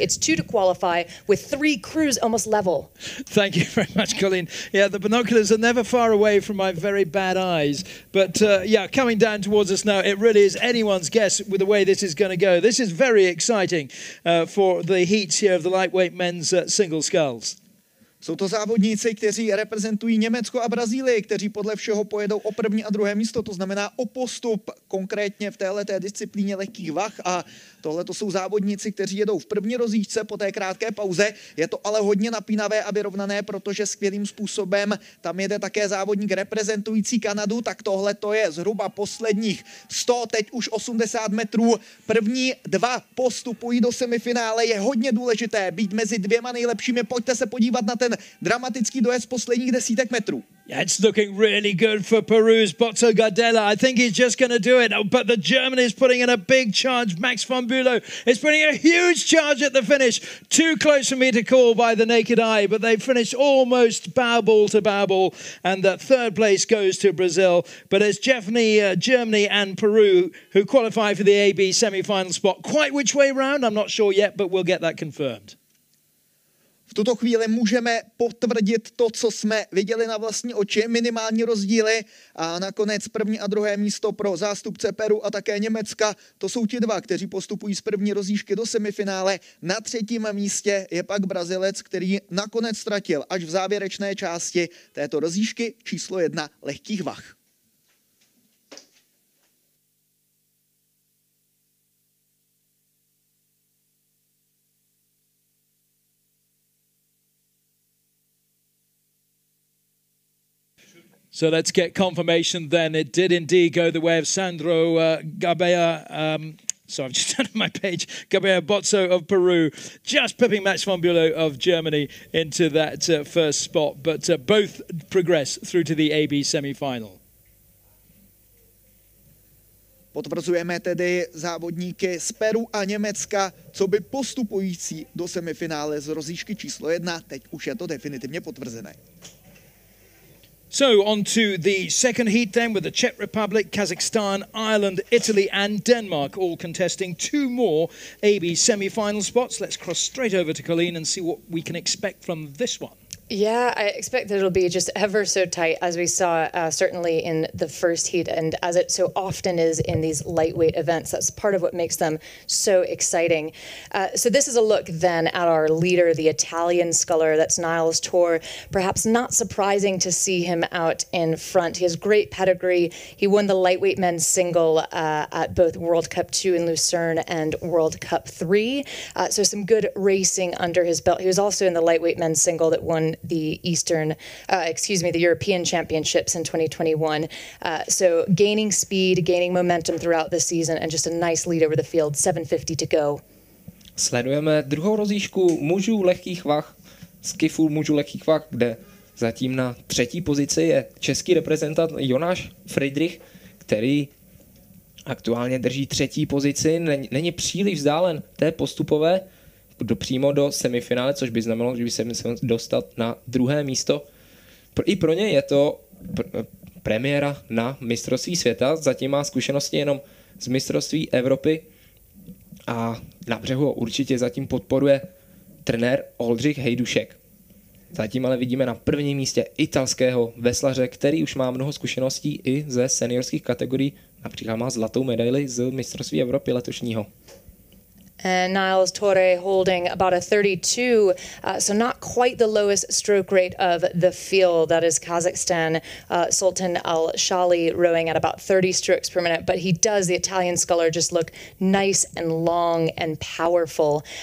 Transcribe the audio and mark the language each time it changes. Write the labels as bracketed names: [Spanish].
[English] It's two to qualify with three crews almost level. Thank you very much, Colleen. Yeah, the binoculars are never far away from my very bad eyes. But coming down towards us now, it really is anyone's guess with the way this is going to go. This is very exciting for the heats here of the lightweight men's single sculls. [Czech] Jsou to závodníci, kteří reprezentují Německo a Brazílii, kteří podle všeho pojedou o první a druhé místo, to znamená o postup konkrétně v této disciplíně lehkých vah. A tohle to jsou závodníci, kteří jedou v první rozjížďce po té krátké pauze. Je to ale hodně napínavé a vyrovnané, protože skvělým způsobem tam jede také závodník reprezentující Kanadu. Tak tohle to je zhruba posledních 100, teď už 80 metrů. První dva postupují do semifinále. Je hodně důležité být mezi dvěma nejlepšími. Pojďte se podívat na ten dramatický dojezd posledních desítek metrů. [English] Yeah, it's looking really good for Peru's Boto Gardella. I think he's just going to do it. But the German is putting in a big charge. Max van Bülow is putting a huge charge at the finish. Too close for me to call by the naked eye, but they finish almost bow ball to bow ball. And the third place goes to Brazil. But it's Germany and Peru who qualify for the AB semi-final spot. Quite which way round, I'm not sure yet, but we'll get that confirmed. [Czech] V tuto chvíli můžeme potvrdit to, co jsme viděli na vlastní oči, minimální rozdíly a nakonec první a druhé místo pro zástupce Peru a také Německa. To jsou ti dva, kteří postupují z první rozjížky do semifinále. Na třetím místě je pak Brazilec, který nakonec ztratil až v závěrečné části této rozjížky číslo 1 lehkých vah. [English] So let's get confirmation then. It did indeed go the way of Sandro Gabea. Sorry, I've just turned my page. Gabea Boto of Peru, just pipping Max van Bülow of Germany into that first spot. But both progress through to the AB semi-final. [Czech] Potvrzujeme tedy závodníky z Peru a Německa, co by postupující do semifinále z rozjížky číslo 1. Teď už je to definitivně potvrzené. [English] So on to the second heat then with the Czech Republic, Kazakhstan, Ireland, Italy and Denmark all contesting two more AB semi-final spots. Let's cross straight over to Colleen and see what we can expect from this one. Yeah, I expect that it'll be just ever so tight, as we saw certainly in the first heat and as it so often is in these lightweight events. That's part of what makes them so exciting. So this is a look then at our leader, the Italian sculler, that's Niles Tor. Perhaps not surprising to see him out in front. He has great pedigree. He won the lightweight men's single at both World Cup 2 in Lucerne and World Cup 3. So some good racing under his belt. He was also in the lightweight men's single that won the European Championships in 2021. So gaining speed, gaining momentum throughout the season and just a nice lead over the field, 7:50 to go. [Czech] Sledujeme druhou rozjížďku mužů lehkých vah, skifu mužů lehkých vah, kde zatím na třetí pozici je český reprezentant Jonáš Friedrich, který aktuálně drží třetí pozici, není příliš vzdálen té postupové, přímo do semifinále, což by znamenalo, že by se musel dostat na druhé místo. I pro ně je to premiéra na mistrovství světa, zatím má zkušenosti jenom z mistrovství Evropy a na břehu ho určitě zatím podporuje trenér Oldřich Hejdušek. Zatím ale vidíme na prvním místě italského veslaře, který už má mnoho zkušeností i ze seniorských kategorií, například má zlatou medaili z mistrovství Evropy letošního. [English] And Niles Torre holding about a 32, so not quite the lowest stroke rate of the field. That is Kazakhstan, Sultan Al-Shali rowing at about 30 strokes per minute. But he does, the Italian sculler, just look nice and long and powerful.